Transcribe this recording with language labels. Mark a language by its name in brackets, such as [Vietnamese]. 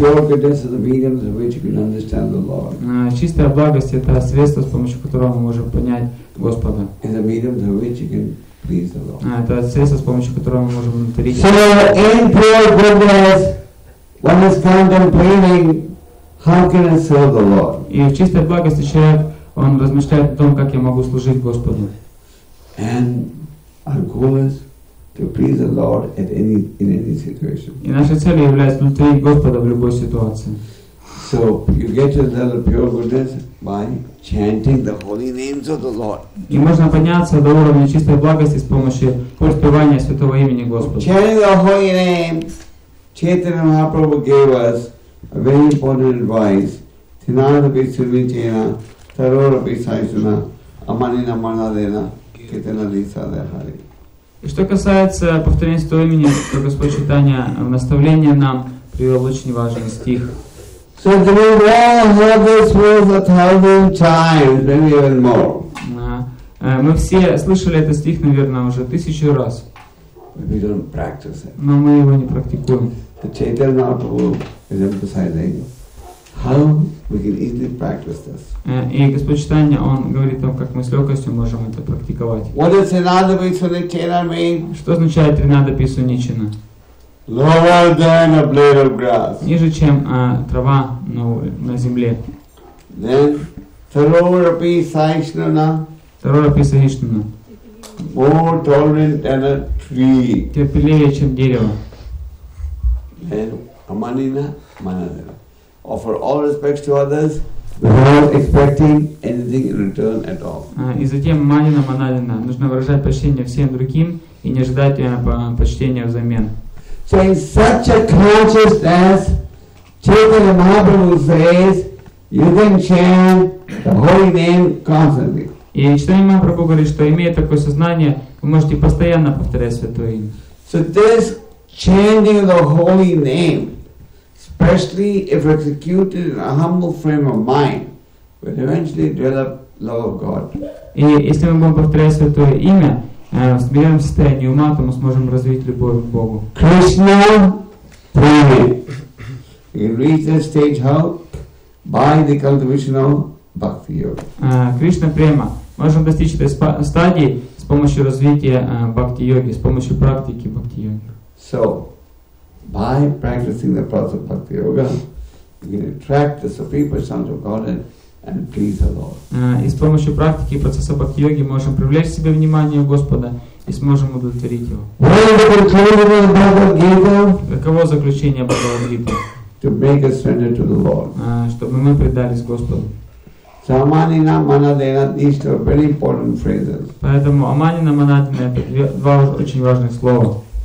[English] Pure goodness is the medium through which you can understand the Lord. [Russian] Чистая благость — это средство, с помощью которого мы можем понять Господа. [English] Is the medium through which you can please the Lord. [Russian] Это средство, с помощью которого мы можем внутрить. [English] So in pure goodness, one is contemplating how can I serve the Lord. [Russian] И в чистой благости человек он размышляет о том, как я могу служить Господу. [English] And our goal is to please the Lord at any in any situation. [Russian] И наша цель является удовлетворить Господа в любой ситуации. [English] So you get to the pure goodness by chanting the holy names of the Lord. [Russian] И можно подняться до уровня чистой благости с помощью воспевания святого имени Господа. [English] Chanting the holy name, Chaitanya Mahaprabhu gave us a very important advice. Tinara be suni chena, tarora be sai suna, amani na mana dena, kitena lisa de hari. [Russian] И что касается повторения святого имени, то Господь Чайтанья в наставление нам привел очень важный стих. [English] So we all heard this verse a thousand times, maybe even more. [Russian] Мы все слышали этот стих, наверное, уже тысячу раз. [English] We don't practice it. [Russian] Но мы его не практикуем. [English] The Chaitanya Mahaprabhu is emphasizing how we can easily practice this. [Russian] И Господь Чайтанья, он говорит о том, как мы с легкостью можем это практиковать. [English] What does Trinada Pisuni Chena mean? [Russian] Что означает Trinada Pisuni Chena? [English] Lower than a blade of grass. [Russian] Ниже, чем трава на земле. [Sanskrit] Then Tarora Pisaishnana. Tarora Pisaishnana. [English] More tolerant than a tree. [Russian] Терпеливее, чем дерево. [English] Then Amanina Manadera. Offer all respects to others without expecting anything in return at all. [Russian] И затем манина манадина нужно выражать почтение всем другим и не ожидать почтения взамен. [English] So in such a consciousness, Chaitanya Mahaprabhu says, you can chant the holy name constantly. [Russian] И Чайтанья Махапрабху говорит, что имея такое сознание, вы можете постоянно повторять святое имя. [English] So this chanting the holy name, especially if executed in a humble frame of mind, will eventually develop love of God. [Russian] И если мы будем повторять святое имя, в смиренном состоянии ума, то мы сможем развить любовь к Богу. [English] Krishna Prema. You reach that stage how? By the cultivation of Bhakti Yoga. [Russian] Krishna Prema. Можем достичь этой стадии с помощью развития Bhakti Yoga, с помощью практики Bhakti Yoga. [English] So, by practicing the process of Bhakti Yoga, you can attract the Supreme Personality of Godhead and please the Lord. [Russian] И с помощью практики процесса Бхакти Йоги можем привлечь к себе внимание Господа и сможем удовлетворить его. [English] What is the conclusion of the Bhagavad Gita? [Russian] Каково заключение Бхагавад Гиты? [English] To make a surrender to the Lord. [Russian] Чтобы мы предались Господу. [English] So Amanina Manadena, these two are very important phrases. [Russian] Поэтому Аманина Манадена — это два очень важных слова.